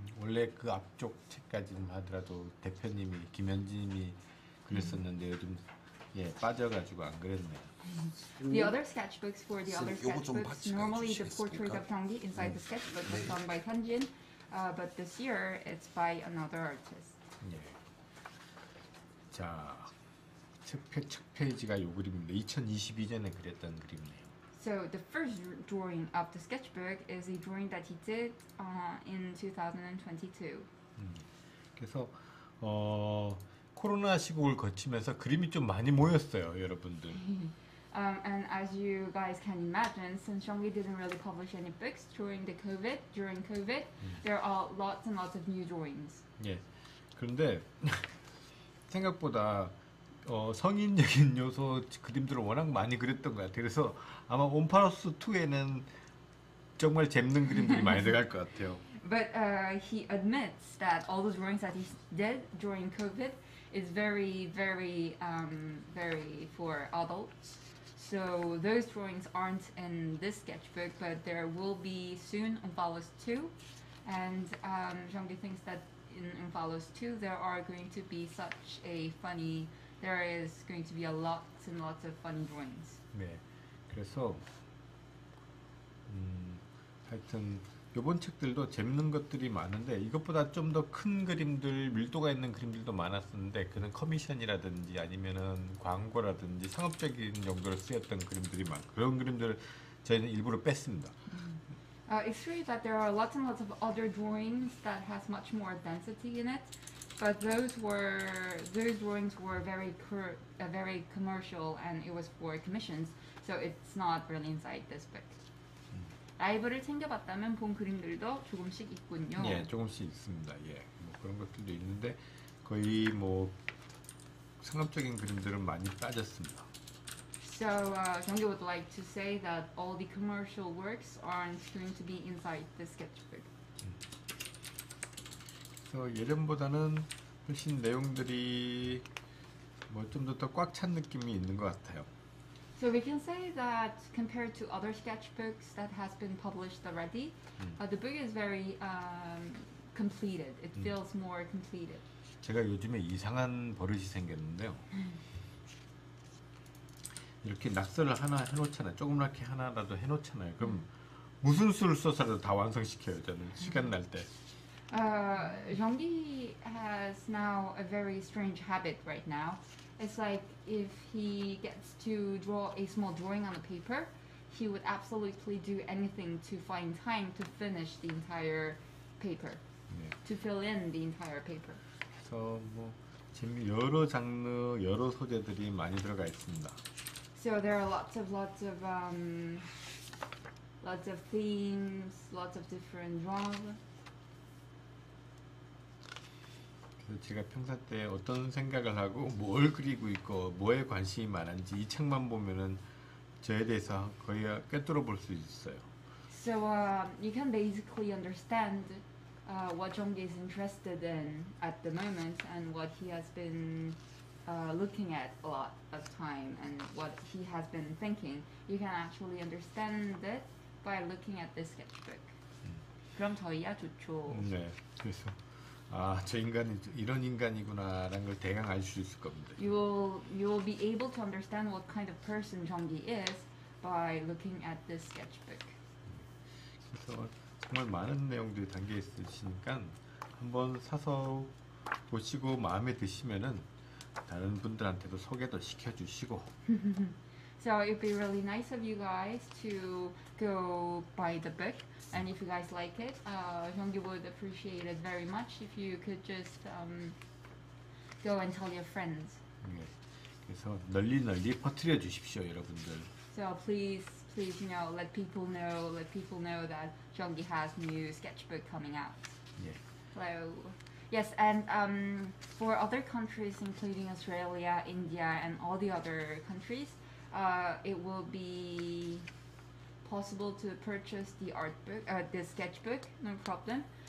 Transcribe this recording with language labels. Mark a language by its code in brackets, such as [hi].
[ko] 원래 그 앞쪽 책까지는 하더라도 대표님이 김현진님이 그렸었는데 요즘 빠져가지고 안 그렸네요. [en] The other sketchbooks for the other sketchbooks, normally the portrait of Jeonggi inside the sketchbook was done by 현진, but this year it's by another artist. [ko] 네. 자, 책 페이지가 요 그림입니다. 2022년에 그렸던 그림이네요. [en] So the first drawing of the sketchbook is a drawing that he did in 2022. [ko] 그래서 코로나 시국을 거치면서 그림이 좀 많이 모였어요, 여러분들. [en] And as you guys can imagine, since Zhonggi didn't really publish any books during the COVID, there are lots and lots of new drawings. [ko] 예. 그런데 생각보다 성인적인 요소 그림들을 워낙 많이 그렸던 것 같아요. 그래서 아마 온파로스 2에는 정말 재밌는 그림들이 많이 들어갈 것 같아요. [en] But he admits that all the drawings that he did during COVID is very, very, very for adults. So those drawings aren't in this sketchbook, but there will be soon Onfalos 2. And Zhonggi thinks that in Onfalos 2 there are going to be such a funny, there is going to be a lots and lots of funny drawings. [ko] 네, 그래서 하여튼 이번 책들도 재밌는 것들이 많은데 이것보다 좀 더 큰 그림들, 밀도가 있는 그림들도 많았었는데 그는 커미션이라든지 아니면은 광고라든지 상업적인 용도로 쓰였던 그림들이 많고 그런 그림들을 저희는 일부러 뺐습니다. [en] It's true that there are lots and lots of other drawings that has much more density in it, but those drawings were very commercial and it was for commissions, so it's not really inside this book. [ko] 라이브를 챙겨봤다면 본 그림들도 조금씩 있군요. 예, 조금씩 있습니다. 예, 뭐 그런 것들도 있는데 거의 뭐 상업적인 그림들은 많이 빠졌습니다. [en] So, Zhonggi would like to say that all the commercial works aren't going to be inside the sketchbook. [ko] 그래서 예전보다는 훨씬 내용들이 뭐 좀 더 더 꽉 찬 느낌이 있는 것 같아요. [en] So we can say that compared to other sketchbooks that has been published already, the book is very completed. It feels more completed. [ko] 제가 요즘에 이상한 버릇이 생겼는데요. 이렇게 낙서를 하나 해놓잖아요. 조그맣게 하나라도 해놓잖아요. 그럼 무슨 수를 써서라도 다 완성시켜요. 저는 시간 날 때. [en] Zhonggi has now a very strange habit right now. It's like if he gets to draw a small drawing on the paper, he would absolutely do anything to find time to finish the entire paper, to fill in the entire paper. [ko] 그래서 뭐 재미 여러 장르 여러 소재들이 많이 들어가 있습니다. [en] So there are lots of themes, lots of different genres. [ko] 제가 평상 때 어떤 생각을 하고 뭘 그리고 있고 뭐에 관심이 많은지 이 책만 보면은 저에 대해서 거의 꿰뚫어 볼 수 있어요. [en] So you can basically understand what Zhonggi is interested in at the moment and what he has been looking at a lot of time and what he has been thinking. You can actually understand it by looking at this sketchbook. [ko] 그럼 더이야 좋죠. 네, 그래서. 아, 저 인간이 이런 인간이구나라는 걸 대강 알 수 있을 겁니다. [en] You'll be able to understand what kind of person Zhonggi is by looking at this sketchbook. [ko] 그래서 정말 많은 내용들이 담겨 있으시니까 한번 사서 보시고 마음에 드시면은 다른 분들한테도 소개도 시켜 주시고. [en] So it'd be really nice of you guys to go buy the book. And if you guys like it, Zhonggi would appreciate it very much if you could just go and tell your friends. [ko] 네, 그래서 널리 널리 퍼뜨려 주십시오, 여러분들. [en] So please, you know, let people know that Zhonggi has new sketchbook coming out. [ko] 네. [en] Hello. Yes, and for other countries, including Australia, India, and all the other countries, it will be possible to purchase the art book, the sketchbook, no problem.